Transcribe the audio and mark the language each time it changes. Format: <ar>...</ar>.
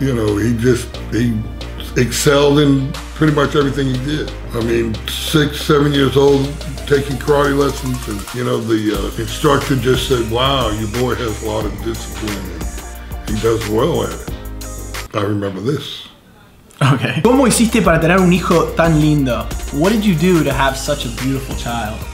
<en>You know, he excelled in pretty much everything he did. I mean, 6, 7 years old, taking karate lessons, and you know, the instructor just said, wow, your boy has a lot of discipline, and he does well at it. I remember this. Okay.</en> <es>¿Cómo hiciste para tener un hijo tan lindo?</es> <en>What did you do to have such a beautiful child?</en>